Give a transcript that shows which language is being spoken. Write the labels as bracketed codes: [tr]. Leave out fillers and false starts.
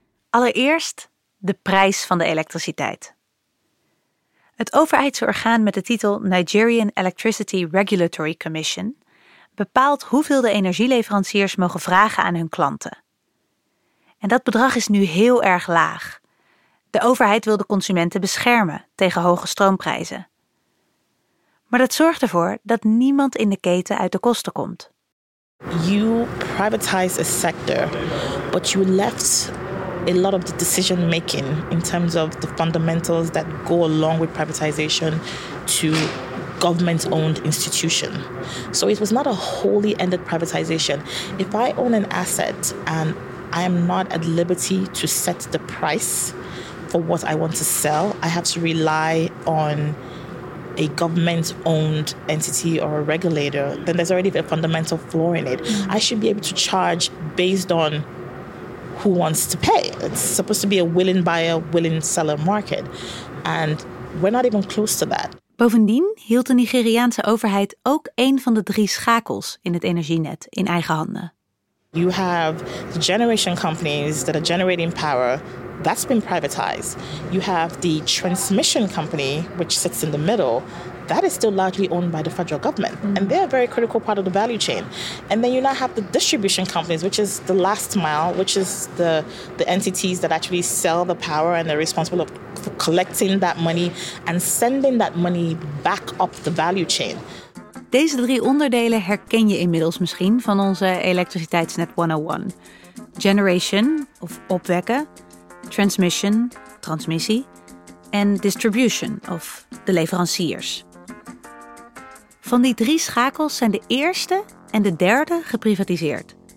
[nl] Allereerst de prijs van de elektriciteit. Het overheidsorgaan met de titel Nigerian Electricity Regulatory Commission bepaalt hoeveel de energieleveranciers mogen vragen aan hun klanten. En dat bedrag is nu heel erg laag. De overheid wil de consumenten beschermen tegen hoge stroomprijzen. Maar dat zorgt ervoor dat niemand in de keten uit de kosten komt. [en] You privatize a sector, but you left a lot of the decision making in terms of the fundamentals that go along with privatization to government-owned institution. So it was not a wholly ended privatization. If I own an asset and I am not at liberty to set the price for what I want to sell, I have to rely on a government-owned entity or a regulator, then there's already a fundamental flaw in it. I should be able to charge based on who wants to pay. It's supposed to be a willing buyer, willing seller market. And we're not even close to that. [nl] Bovendien hield de Nigeriaanse overheid ook 1 van de 3 schakels in het energienet in eigen handen. [en] You have the generation companies that are generating power. That's been privatized. You have the transmission company, which sits in the middle. That is still largely owned by the federal government. Mm-hmm. And they're a very critical part of the value chain. And then you now have the distribution companies, which is the last mile, which is the entities that actually sell the power and they're responsible for collecting that money and sending that money back up the value chain. [nl] Deze 3 onderdelen herken je inmiddels misschien van onze elektriciteitsnet 101. Generation, of opwekken. Transmission, transmissie. En distribution, of de leveranciers. Van die 3 schakels zijn de eerste en de derde geprivatiseerd.